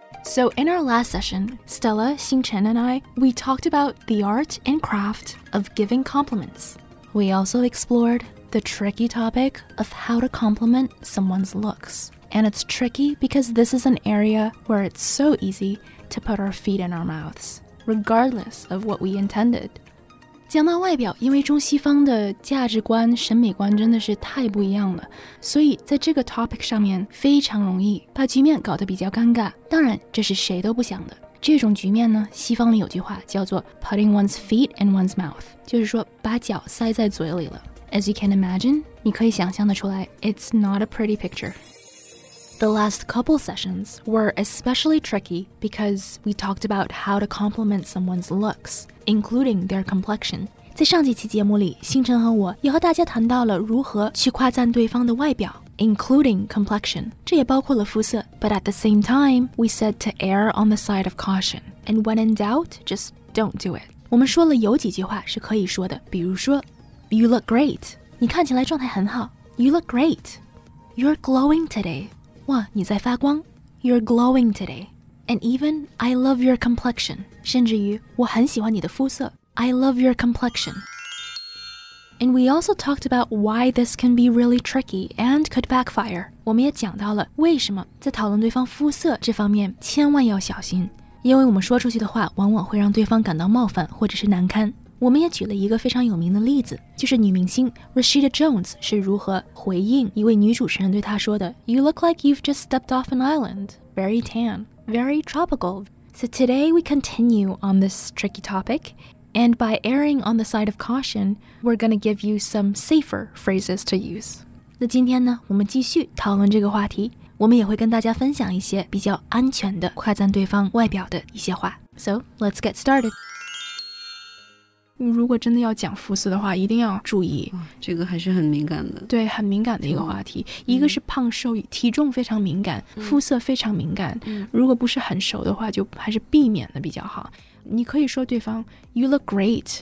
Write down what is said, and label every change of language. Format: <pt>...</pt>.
<en>So in our last session, Stella, Xinchen and I, we talked about the art and craft of giving compliments. We also explored the tricky topic of how to compliment someone's looks. And it's tricky because this is an area where it's so easy to put our feet in our mouths, regardless of what we intended.</en> <zh>讲到外表，因为中西方的价值观、审美观真的是太不一样了，所以在这个 topic 上面非常容易把局面搞得比较尴尬。当然，这是谁都不想的。这种局面呢，西方里有句话叫做</zh> <en>putting one's feet in one's mouth，</en> <zh>就是说把脚塞在嘴里了。</zh> <en>As you can imagine，</en> <zh>你可以想象的出来</zh> <en>，it's not a pretty picture。 The last couple sessions were especially tricky because we talked about how to compliment someone's looks, including their complexion.</en> <zh>在上几期节目里，星辰和我也和大家谈到了如何去夸赞对方的外表</zh> <en>including complexion.</en> <zh>这也包括了肤色</zh> <en>But at the same time, we said to err on the side of caution. And when in doubt, just don't do it.</en> <zh>我们说了有几句话是可以说的，比如说</zh> <en>You look great.</en> <zh>你看起来状态很好</zh> <en>You look great. You're glowing today.</en> <zh>哇，你在发光。</zh> <en>You're glowing today. And even, I love your complexion.</en> <zh>甚至于，我很喜欢你的肤色。</zh> <en>I love your complexion. And we also talked about why this can be really tricky and could backfire.</en> <zh>我们也讲到了为什么在讨论对方肤色这方面千万要小心。因为我们说出去的话往往会让对方感到冒犯或者是难堪。我们也举了一个非常有名的例子，就是女明星 Rashida Jones 是如何回应一位女主持人对她说的</zh> <en>You look like you've just stepped off an island. Very tan. Very tropical. So today we continue on this tricky topic, and by erring on the side of caution, we're going to give you some safer phrases to use.</en> <zh>那今天呢，我们继续讨论这个话题，我们也会跟大家分享一些比较安全的夸赞对方外表的一些话。</zh> <en>So let's get started.</en> <zh>如果真的要讲肤色的话一定要注意、哦、这个还是很敏感的对很敏感的一个话题、嗯、一个是胖瘦体重非常敏感、嗯、肤色非常敏感、嗯、如果不是很熟的话就还是避免的比较好你可以说对方</zh> <en>You look great、</en>